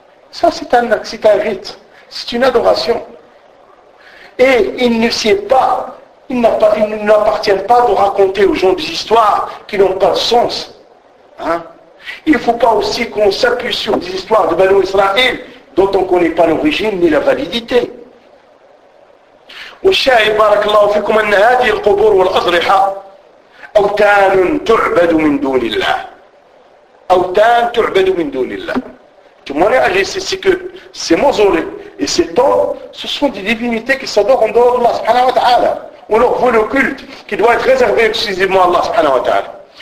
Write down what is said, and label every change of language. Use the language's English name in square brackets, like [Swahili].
[French] Ça c'est un rite. C'est une adoration. Et il ne sait pas, il n'appartient pas de raconter aux gens des histoires qui n'ont pas de sens. Hein? Il ne faut pas aussi qu'on s'appuie sur des histoires de Banu Israël dont on ne connaît pas l'origine ni la validité. [Arabic] والشاهد بارك الله فيكم أن هذه القبور والأضرحة أوتان تعبد من دون الله. أوتان تعبد من دون الله. [French] Témoignage, c'est que ces mausolées et ces temples, ce sont des divinités qui s'adorent en dehors de Allah subhanahu wa ta'ala. On leur voit le culte qui doit être réservé exclusivement à Allah subhanahu wa ta'ala.